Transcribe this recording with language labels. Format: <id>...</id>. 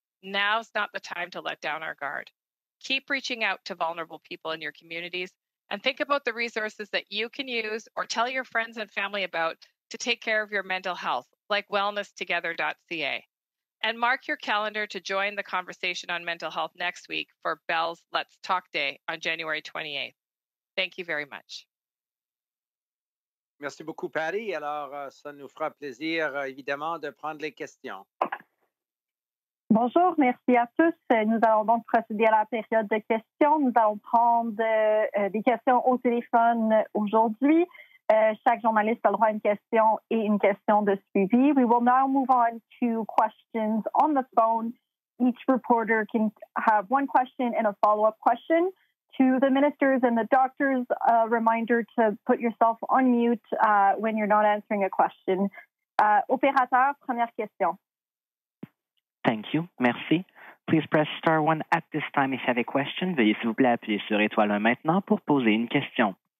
<en>Now's not the time to let down our guard. Keep reaching out to vulnerable people in your communities and think about the resources that you can use or tell your friends and family about to take care of your mental health, like wellnesstogether.ca. And mark your calendar to join the conversation on mental health next week for Bell's Let's Talk Day on January 28th. Thank you very much.</en> <fr>Merci beaucoup, Patty. Alors, ça nous fera plaisir, évidemment, de prendre les questions. Bonjour, merci à tous. Nous allons donc procéder à la période de questions. Nous allons prendre des questions au téléphone aujourd'hui. Chaque journaliste a le droit à une question et une question de suivi.</fr> <en>We will now move on to questions on the phone. Each reporter can have one question and a follow-up question. To the ministers and the doctors, a reminder to put yourself on mute when you're not answering a question.</en> <fr>Opérateur, première question.</fr> <en>Thank you.</en> <fr>Merci.</fr> <en>Please press star one at this time if you have a question.</en> <fr>Veuillez s'il vous plaît appuyer sur étoile un maintenant pour poser une question.</fr>